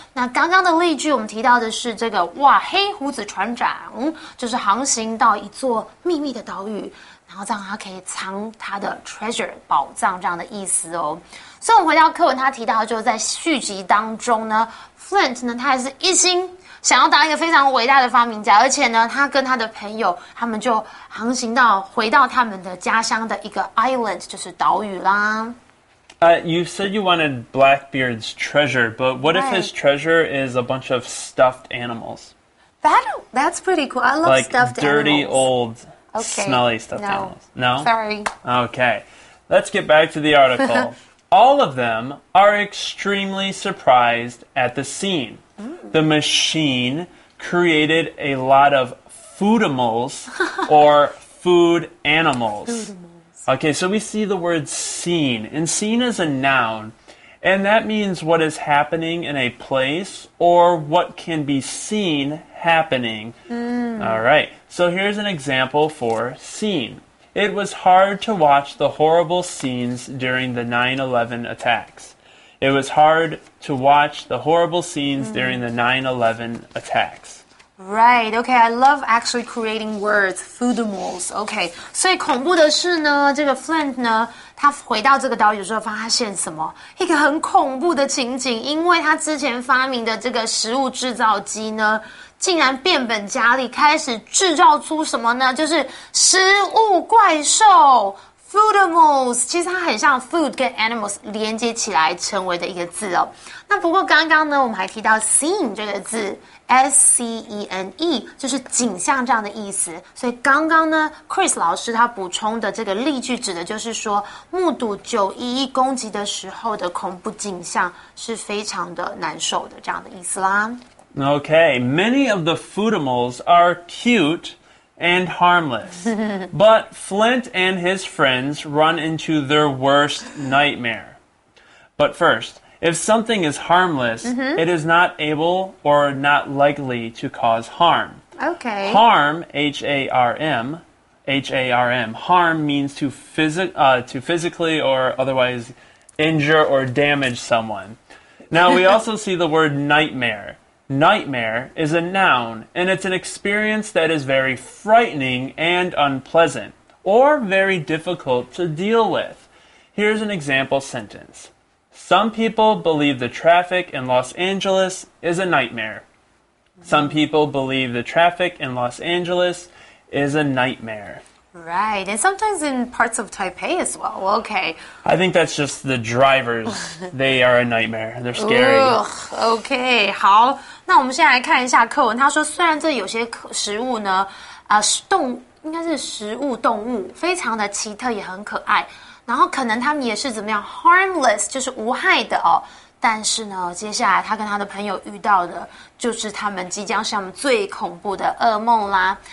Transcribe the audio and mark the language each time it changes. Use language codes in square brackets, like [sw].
[zh] 那刚刚的例句我们提到的是这个，哇，黑胡子船长就是航行到一座秘密的岛屿，然后这样他可以藏他的 treasure 宝藏这样的意思哦。所以我们回到课文，他提到就是在续集当中呢 ，Flint 呢，他还是一心想要当一个非常伟大的发明家，而且呢，他跟他的朋友他们就航行到回到他们的家乡的一个 island， 就是岛屿啦。 [en] You said you wanted Blackbeard's treasure, but what if his treasure is a bunch of stuffed animals? That's pretty cool. I love like stuffed dirty, animals. Dirty, old, smelly stuffed animals. No? Sorry. Okay. Let's get back to the article. All of them are extremely surprised at the scene. Mm. The machine created a lot of foodimals or food animals. Okay, so we see the word scene, and scene is a noun, and that means what is happening in a place or what can be seen happening. Mm. All right, so here's an example for scene. It was hard to watch the horrible scenes during the 9/11 attacks. It was hard to watch the horrible scenes during the 9/11 attacks. Right, okay, I love actually creating words, foodimals, okay. [zh] 所以恐怖的是呢，这个 Flint 呢，他回到这个岛屿之后发现什么？一个很恐怖的情景，因为他之前发明的这个食物制造机呢，竟然变本加厉，开始制造出什么呢？就是食物怪兽 ,foodimals, 其实它很像 food 跟 animals 连接起来成为的一个字哦。那不过刚刚呢，我们还提到 scene 这个字。S-C-E-N-E, 就是景象这样的意思。所以刚刚呢 ,Chris 老师他补充的这个例句指的就是说目睹911攻击的时候的恐怖景象是非常的难受的这样的意思啦。 [en] Okay, many of the foodimals are cute and harmless, but Flint and his friends run into their worst nightmare. But first,If something is harmless, it is not able or not likely to cause harm. Okay. Harm, H-A-R-M, H-A-R-M, harm means to physically or otherwise injure or damage someone. Now, we also see the word nightmare. Nightmare is a noun, and it's an experience that is very frightening and unpleasant, or very difficult to deal with. Here's an example sentence. Some people believe the traffic in Los Angeles is a nightmare. Some people believe the traffic in Los Angeles is a nightmare. Right, and sometimes in parts of Taipei as well. Okay. I think that's just the drivers. They are a nightmare. They're scary. [zh] Ugh, okay, 好，那我们先来看一下课文。他说，虽然这有些食物呢，应该是食物动物，非常的奇特，也很可爱。然后可能他们也是怎么样 harmless 就是无害的哦，但是呢，接下来他跟他的朋友遇到的就是他们即将是他们最恐怖的噩梦啦。